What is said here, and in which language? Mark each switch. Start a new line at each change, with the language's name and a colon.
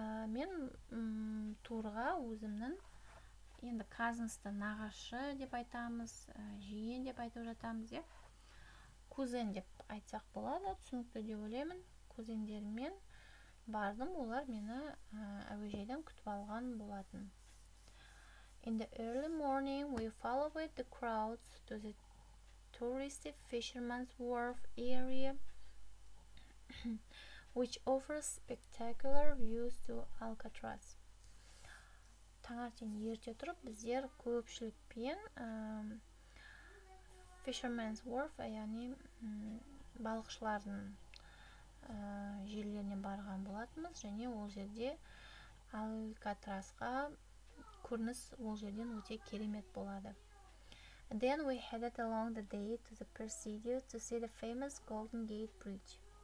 Kazakh: Мен турға өзімнің енді казынсты нағашы деп айтамыз, жиен деп айтып жатамыз, деп кузен деп айтсақ болады, түсінікті деп ойлаймын. Кузендермен бардым, олар мені әуежайдан күтіп алған болатын.
English: In the early morning, we followed the crowds to the touristy Fisherman's Wharf area, which offers spectacular views to Alcatraz.
Kazakh: Таңертең ерте тұрып, біздер көпшілікпен Fisherman's Wharf, яғни балықшылардың жерлеріне барған болатынбыз, және ол жерде Алькатрасқа көрініс ол жерден өте керемет болады.
English: Then we headed along the day to the Presidio to see the famous Golden Gate Bridge.